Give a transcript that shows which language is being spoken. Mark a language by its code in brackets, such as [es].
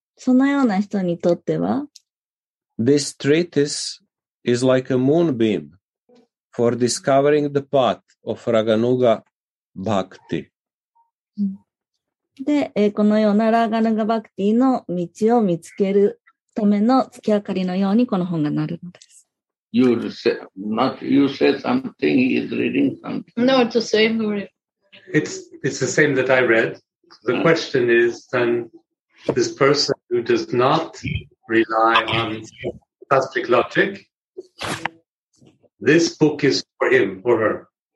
[ja] そのような人にとっては [en] this treatise is like a moonbeam for discovering the path of Raganuga Bhakti. [ja] で、このようなラガヌガバクティの道を見つけるための月明かりのようにこの本がなるのです。 [en] You say, not you say something, he is reading something. No, it's the same word. It's the same that I read. The question is then this person who does not rely on plastic logic, this book is for him or her.